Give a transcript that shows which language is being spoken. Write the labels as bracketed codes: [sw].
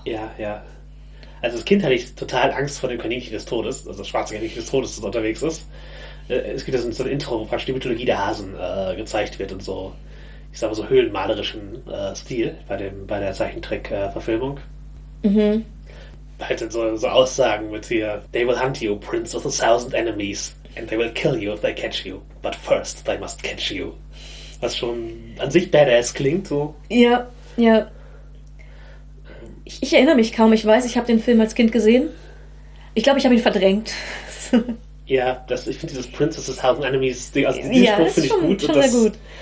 [de] Ja, ja. Also als Kind hatte ich total Angst vor dem Kaninchen des Todes, also das schwarze Kaninchen des Todes, das unterwegs ist. Es gibt ja so ein Intro, wo praktisch die Mythologie der Hasen gezeigt wird und so, ich sag mal, so höhlenmalerischen Stil bei der Zeichentrick-Verfilmung. Halt so Aussagen mit hier, [en] they will hunt you, prince with 1000 enemies, and they will kill you if they catch you, but first they must catch you. [de] Was schon an sich badass klingt, so. Ja, ja. Ich erinnere mich kaum. Ich weiß, ich habe den Film als Kind gesehen. Ich glaube, ich habe ihn verdrängt. Ja, ich finde dieses Princess of Thousand Enemies Ding, also diesen ja, Spruch finde ich gut. Schon sehr gut.